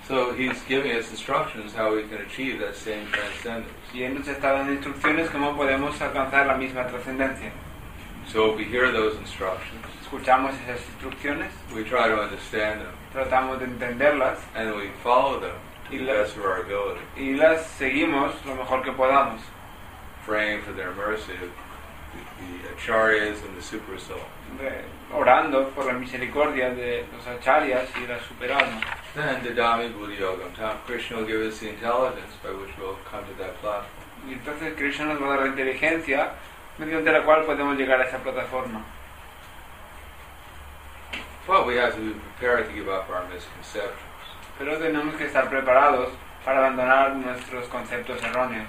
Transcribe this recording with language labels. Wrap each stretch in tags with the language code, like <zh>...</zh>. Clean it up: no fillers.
<en>So he's giving us instructions how we can achieve that same transcendence.</en> <es>Y él nos está dando instrucciones cómo podemos alcanzar la misma trascendencia.</es> <en>So we hear those instructions.</en> <es>Escuchamos esas instrucciones.</es> <en>We try to understand them.</en> <es>Tratamos de entenderlas.</es> <en>And we follow them to the best of our ability.</en> <es>Y las seguimos lo mejor que podamos.</es> <en>Praying for their mercy, the acharyas and the super soul.</en> <es>Orando por la misericordia de los acharyas y la super alma.</es> <sa>Then the Dhammi Buddhi Yogam Tam.</sa> <en>Krishna will give us the intelligence by which we'll come to that platform.</en> <es>Y entonces Krishna nos va a dar la inteligencia mediante la cual podemos llegar a esa plataforma.</es> <en>Well, we have to be prepared to give up our misconceptions.</en> <es>Pero tenemos que estar preparados para abandonar nuestros conceptos erróneos.</es>